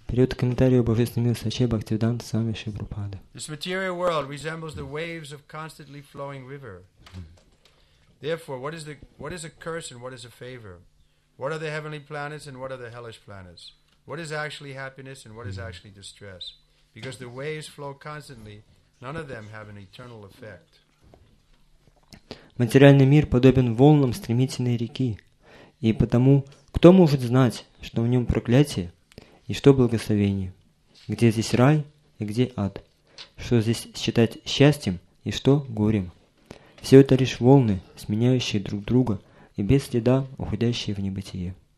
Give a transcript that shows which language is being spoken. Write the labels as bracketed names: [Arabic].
[Russian] Период комментария об Божественной Милости Бхактивиданты Свами Шри Прабхупады. [English] This material world resembles the waves of constantly flowing river. Therefore, what is a curse and what is a favor? What are the heavenly planets and what are the hellish planets? What is actually happiness and what is actually distress? Because the waves flow constantly, none of them have an eternal effect. [Russian] Материальный мир подобен волнам стремительной реки, и потому кто может знать, что в нем проклятие и что благословение, где здесь рай и где ад, что здесь считать счастьем и что горем. Все это лишь волны, сменяющие друг друга и без следа уходящие в небытие.